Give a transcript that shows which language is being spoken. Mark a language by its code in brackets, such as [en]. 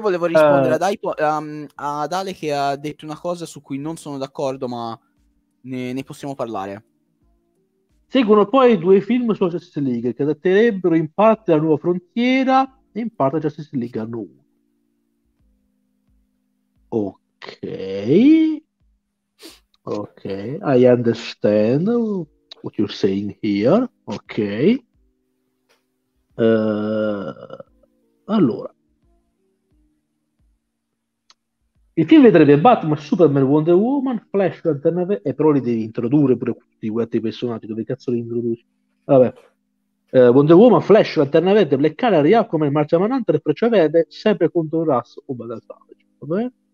[it] volevo rispondere ad Ale che ha detto una cosa su cui non sono d'accordo, ma ne possiamo parlare. Seguono poi due film su Justice League che adatterebbero in parte la nuova frontiera e in parte Justice League hanno uno. [en] Ok, I understand what you're saying here. [it] Ok. Allora, il film vedrebbe Batman, Superman, Wonder Woman, Flash, Lanterna Verde, e però li devi introdurre pure tutti questi personaggi. Dove cazzo li introduci? Vabbè. Wonder Woman, Flash, Lanterna Verde, Black Canary, Aquaman, Martian Manhunter, Freccia Verde, sempre contro il Rasso o Vandal Savage.